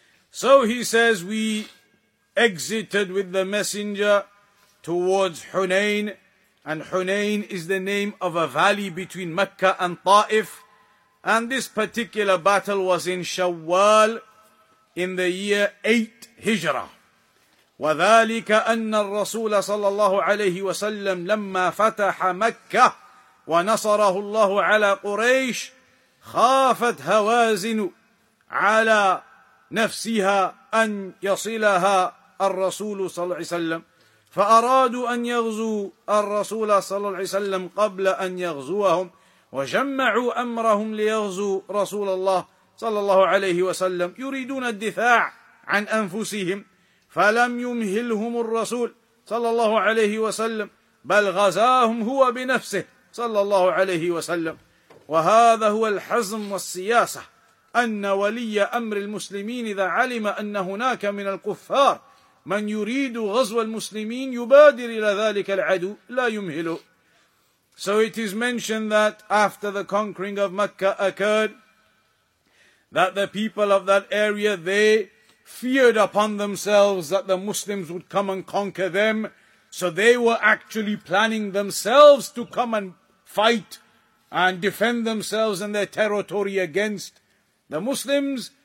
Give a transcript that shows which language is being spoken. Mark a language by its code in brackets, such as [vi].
[en] So he says we exited with the messenger towards Hunayn, and Hunayn is the name of a valley between Mecca and Ta'if. And this particular battle was in Shawwal in the year 8 Hijrah. [ar] وَذَلِكَ أَنَّ الرَّسُولَ صَلَّى اللَّهُ عَلَيْهِ وَسَلَّمَ لَمَّا فَتَحَ مَكَّةَ وَنَصَرَهُ اللَّهُ عَلَى قُرَيْشِ خَافَتْ هَوَازِنُ عَلَى نَفْسِهَا أَنْ يَصِلَهَا الرَّسُولُ صَلَّى اللَّهُ عَلَيْهِ وَسَلَّمَ فَأَرَادُوا أَنْ يَغْزُوا الرَّسُولَ صَلَّى اللَّهُ عَلَيْهِ وَسَلَّمَ قَبْلَ أَنْ يَغْزُوَهُمْ وَجَمَّعُوا أَمْرَهُمْ لِيَغْزُوا رَسُولَ اللَّهِ صَلَّى اللَّهُ عَلَيْهِ وَسَلَّمَ يُرِيدُونَ الدِّفَاعَ عَنْ أَنْفُسِهِمْ فلم يمهلهم الرسول صلى الله عليه وسلم بل غزاهم هو بنفسه صلى الله عليه وسلم وهذا هو الحزم والسياسة أن ولي أمر المسلمين إذا علم أن هناك من الكفار من يريد غزو المسلمين يبادر إلى ذلك العدو لا يمهله. [en] So it is mentioned that after the conquering of Mecca occurred, that the people of that area, they feared upon themselves that the Muslims would come and conquer them. So they were actually planning themselves to come and fight and defend themselves and their territory against the Muslims.